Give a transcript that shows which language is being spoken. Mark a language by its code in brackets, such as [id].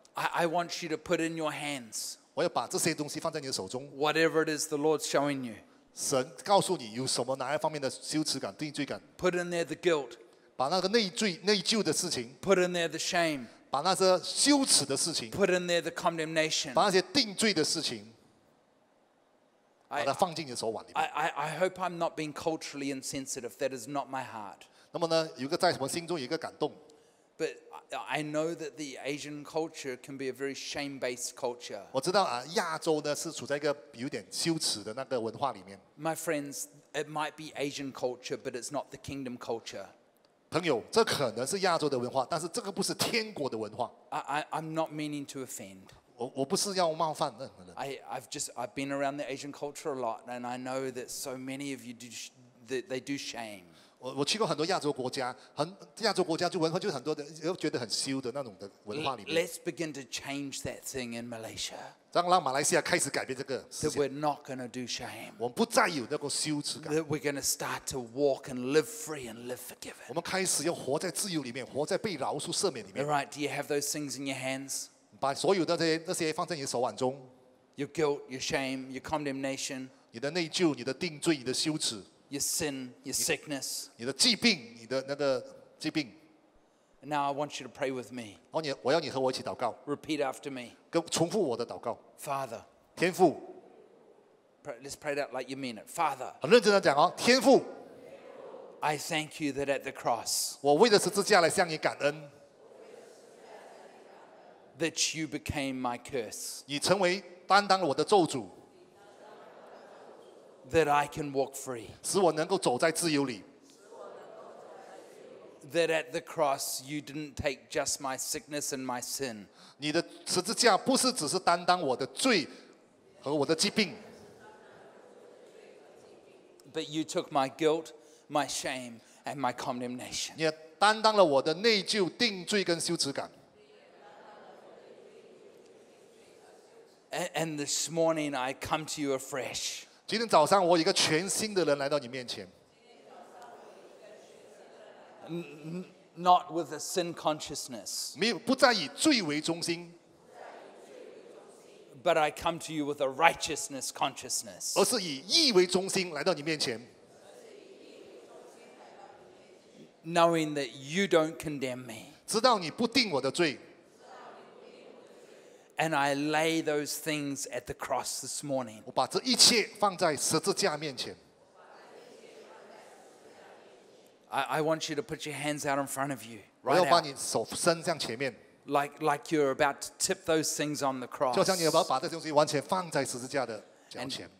[en] I want you to put in your hands. [zh] 我要把这些东西放在你的手中。 [en] Whatever it is the Lord's showing you. [zh] 神告诉你有什么哪一方面的羞耻感、定罪感。 [en] Put in there the guilt. [zh] 把那个内罪、内疚的事情。 [en] Put in there the shame. [zh] 把那些羞耻的事情。 [en] Put in there the condemnation. [zh] 把那些定罪的事情。把它放进你的手腕里面。 [en] I hope I'm not being culturally insensitive. That is not my heart. [zh] 那么呢，有个在我们心中有一个感动。 [en] But I know that the Asian culture can be a very shame-based culture. [zh] 我知道啊，亚洲呢是处在一个有点羞耻的那个文化里面。 [en] My friends, it might be Asian culture, but it's not the Kingdom culture. [zh] 朋友，这可能是亚洲的文化，但是这个不是天国的文化。 [en] I'm not meaning to offend. I've been around the Asian culture a lot, and I know that so many of you do, that they do shame. [zh] 我去过很多亚洲国家，亚洲国家就文化就很多的，又觉得很羞的那种的文化里面。 [en] Let's begin to change that thing in Malaysia. [zh] 让马来西亚开始改变这个事情。 [en] That we're not going to do shame. [zh] 我们不再有那个羞耻感。 [en] That we're going to start to walk and live free and live forgiven. [zh] 我们开始要活在自由里面，活在被饶恕赦免里面。 [en] All right, do you have those things in your hands? [zh] 把所有的那些放在你的手腕中。 [en] Your guilt, your shame, your condemnation. [zh] 你的内疚、你的定罪、你的羞耻。 [en] Your sin, your sickness. [zh] 你的疾病，你的那个疾病。 [en] Now I want you to pray with me. [zh] 我要你和我一起祷告。 [en] Repeat after me. [zh] 重复我的祷告。 [en] Father. [zh] 天父。 [en] Let's pray that like you mean it. Father. [zh] 很认真的讲哦，天父。 [en] I thank you that at the cross. [zh] 我为了十字架来向你感恩。 [en] That you became my curse. [zh] 你成为担当了我的咒诅。 [en] That I can walk free. [zh] 使我能够走在自由里。 [en] That at the cross you didn't take just my sickness and my sin. [zh] 你的十字架不是只是担当我的罪和我的疾病。 [en] But you took my guilt, my shame, and my condemnation. [zh] 你也担当了我的内疚、定罪跟羞耻感。 [en] And this morning I come to you afresh. [zh] 今天早上我一个全新的人来到你面前。 [en] Not with a sin consciousness. [zh] 不再以罪为中心。 [en] But I come to you with a righteousness consciousness. [zh] 而是以义为中心来到你面前。 [en] Knowing that you don't condemn me. [zh] 知道你不定我的罪。 [en] And I lay those things at the cross this morning. [zh] 我把这一切放在十字架面前。 [en] I want you to put your hands out in front of you. Right out. [zh] 我要把你手伸向前面。 [en] Like you're about to tip those things on the cross. [zh] 就像你要把这东西完全放在十字架的脚前。